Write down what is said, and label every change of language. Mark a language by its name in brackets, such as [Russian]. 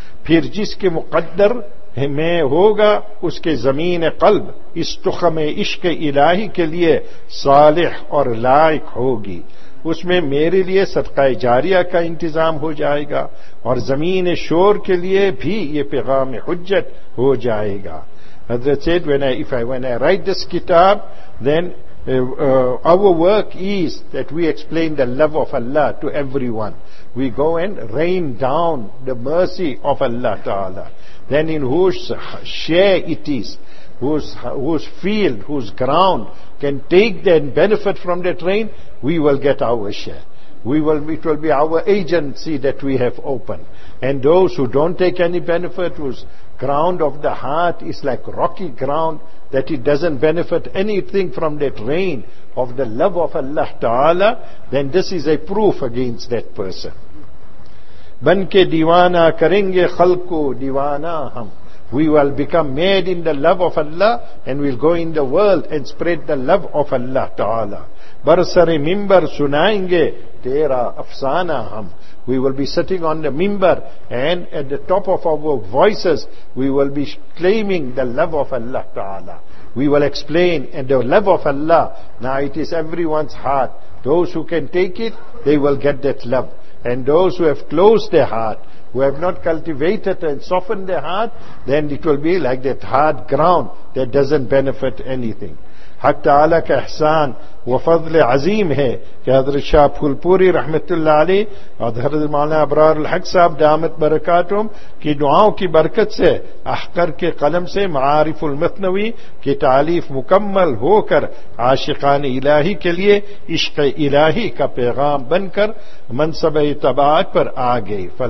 [Urdu] Phir jiske muqaddar میں ہوگا اس کے زمین قلب اس تخم عشق الہی کے لیے صالح اور لائق ہوگی, اس میں میرے لیے صدقہ جاریہ کا انتظام ہو جائے گا اور زمین شور کے لیے بھی یہ پیغام حجت ہو جائے گا. [English] حضرت said, when I write this kitab, then our work is that we explain the love of Allah to everyone. We go and rain down the mercy of Allah Ta'ala. Then in whose share it is, whose field, whose ground can take the benefit from that rain, we will get our share. It will be our agency that we have opened. And those who don't take any benefit, whose ground of the heart is like rocky ground, that it doesn't benefit anything from that rain of the love of Allah Ta'ala, then this is a proof against that person. [Urdu] بن کے دیوانہ کریں گے خلق کو دیوانہ ہم. [English] We will become made in the love of Allah, and we'll go in the world and spread the love of Allah Ta'ala. [Urdu] برسر ممبر سنائیں گے تیرا افسانہ ہم. [English] We will be sitting on the mimbar, and at the top of our voices we will be claiming the love of Allah Ta'ala. We will explain, and the love of Allah, now it is everyone's heart. Those who can take it, they will get that love. And those who have closed their heart, who have not cultivated and softened their heart, then it will be like that hard ground that doesn't benefit anything. [Urdu] حق تعالیٰ کا احسان و فضل عظیم ہے کہ حضرت شاہ پھولپوری رحمت اللہ علیہ اور حضرت مولانا ابرار الحق صاحب دامت برکاتہم کی دعاؤں کی برکت سے احقر کے قلم سے معارف المثنوی کی تعلیف مکمل ہو کر عاشقان الہی کے لیے عشق الہی کا پیغام بن کر منصب اتباعات پر آگئے.